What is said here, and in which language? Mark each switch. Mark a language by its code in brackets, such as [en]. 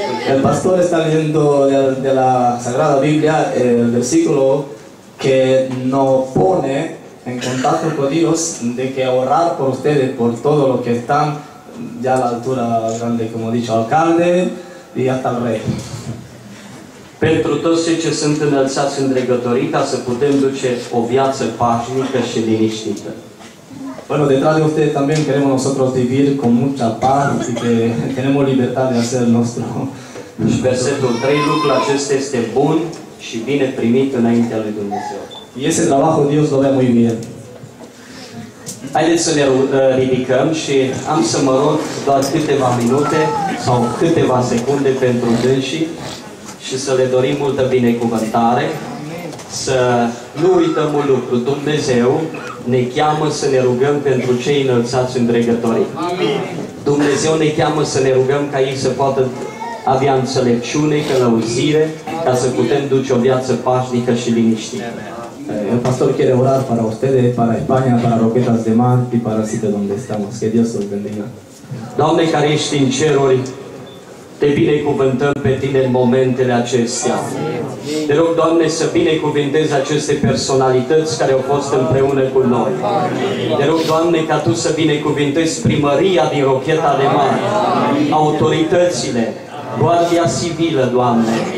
[es] El pastor está leyendo de la Sagrada Biblia el versículo que nos pone en contacto con Dios de que orar por ustedes, por todos los que están ya a la altura grande, como he dicho, alcalde y hasta el rey. [ro] Pentru toți cei ce sunt înălțați în dregătorii, ca să putem duce o viață pașnică și liniștită. [es] Bueno, detrás de ustedes también queremos nosotros vivir con mucha paz y que tenemos libertad de hacer nuestro. [ro] Și versetul 3, lucrul acesta este bun și bine primit înaintea lui Dumnezeu. [es] Y ese trabajo Dios lo ve muy bien. [ro] Haideți să ne ridicăm și am să mă rog doar câteva minute sau câteva secunde pentru dânsii și să le dorim multă binecuvântare. Să nu uităm un lucru, Dumnezeu ne cheamă să ne rugăm pentru cei înălțați îndregătorii. Dumnezeu ne cheamă să ne rugăm ca ei să poată avea înțelepciune, călăuzire, ca să putem duce o viață pașnică și liniștită. [es] El pastor quiere orar para ustedes, para España, para Roquetas de Mar y para el sitio donde estamos. Que Dios os bendiga. [ro] Doamne care ești în ceruri, te binecuvântăm pe tine în momentele acestea. Te rog, Doamne, să binecuvintezi aceste personalități care au fost împreună cu noi. Te rog, Doamne, ca Tu să binecuvintezi primăria din Rocheta de Mar, autoritățile, Guardia Civilă, Doamne.